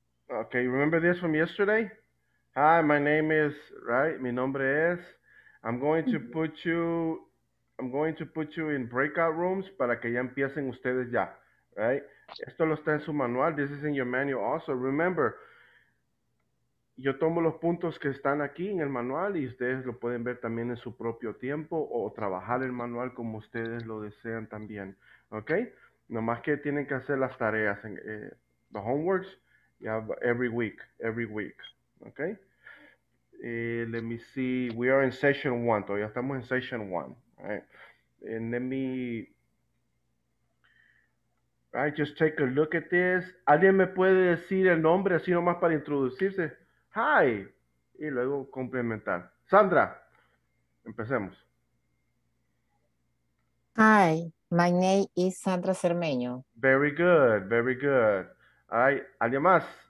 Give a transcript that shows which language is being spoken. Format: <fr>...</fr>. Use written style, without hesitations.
<en>Okay, remember this from yesterday? Hi, my name is, right?</en> <es>Mi nombre es.</es> <en>I'm going to put you in breakout rooms</en> <es>para que ya empiecen ustedes ya,</es> <en>right?</en> <es>Esto lo está en su manual.</es> <en>This is in your manual also.</en> <es>Remember, yo tomo los puntos que están aquí en el manual y ustedes lo pueden ver también en su propio tiempo o trabajar el manual como ustedes lo desean también, okay? Nomás que tienen que hacer las tareas,</es> <en>the homeworks, you have every week, okay? Let me see. We are in session one.</en> <es>Todavía estamos en</es> <en>session one, right? And let me, right, just take a look at this.</en> <es>¿Alguien me puede decir el nombre así nomás para introducirse? Hi. Y luego complementar. Sandra, empecemos.</es> <en>Hi. My name is Sandra Cermeño. Very good. Very good. All right.</en> <es>¿Alguien más?</es>